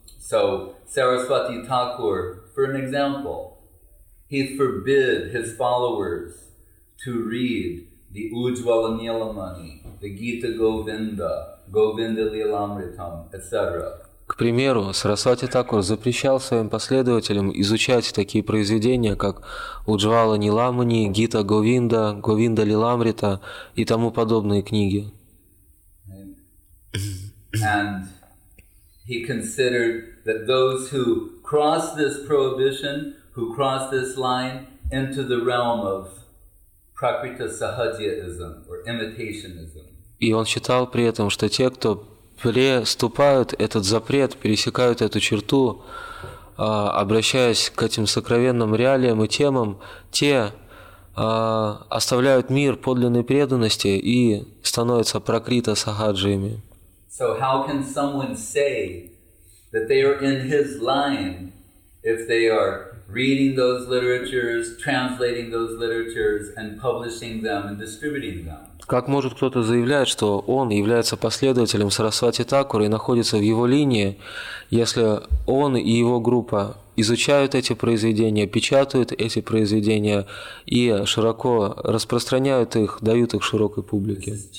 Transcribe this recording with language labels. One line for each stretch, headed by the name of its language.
English: So, Сарасвати Такур, for an example, he forbid his followers to read the Ujjvala Nilamani, the Gita Govinda, Govinda Lilamritam, etc.
Russian: К примеру, Сарасвати Такур запрещал своим последователям изучать такие произведения, как Уджвала Ниламани, Гита Говинда, Говинда Лиламрита и тому подобные книги.
English: And he considered that those who cross this prohibition, who cross this line into the realm of Prakriti Sahajyaism or imitationism.
Russian: И он считал при этом, что те, кто преступают этот запрет, пересекают эту черту, обращаясь к этим сокровенным реалиям и темам, те оставляют мир подлинной преданности и становятся пракрита сахаджиями.
English: So how can someone say that they are in his line if they are reading those literatures, translating those literatures and publishing them and distributing them?
Russian: Как может кто-то заявлять, что он является последователем Сарасвати Такура и находится в его линии, если он и его группа изучают эти произведения, печатают эти произведения и широко распространяют их, дают их широкой публике?